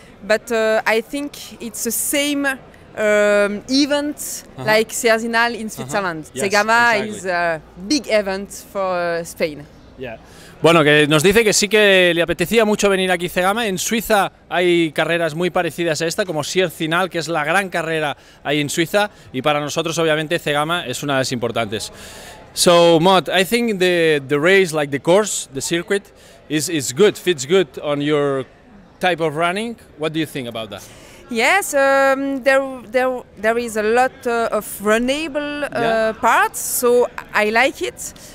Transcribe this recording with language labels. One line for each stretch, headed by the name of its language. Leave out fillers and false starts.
English: But I think it's the same event like Cerzinal in Switzerland. Zegama is a big event for Spain. Yeah.
Spanish: Bueno, que nos dice que sí que le apetecía mucho venir aquí Zegama. En Suiza hay carreras muy parecidas a esta, como Cerzinal, que es la gran carrera ahí en Suiza, y para nosotros obviamente Zegama es una de las importantes.
English: So, Maude, I think the race, like the course, the circuit, is good, fits good on your type of running. What do you think about that? Yes, there is a lot of runnable parts, so I like it.